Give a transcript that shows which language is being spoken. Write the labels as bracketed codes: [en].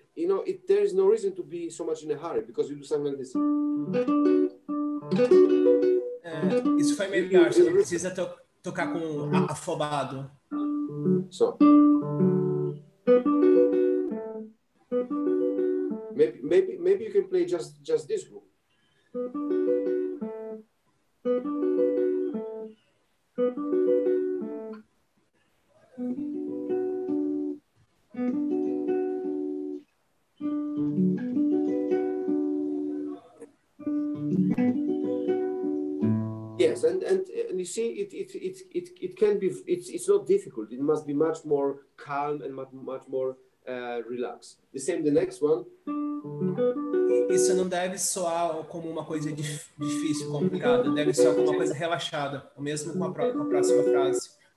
[en] You know, there is no reason to be so much in a hurry because you do something like this. [pt] Isso foi melhor, você não precisa tocar com afobado. [en] So. Maybe you can play just this one. Yes, and you see it can be it's not difficult. It must be much more calm and much more relaxed. The same the next one. [pt] Isso não deve soar como uma coisa difícil, complicada. Deve ser alguma coisa relaxada, o mesmo com a próxima frase.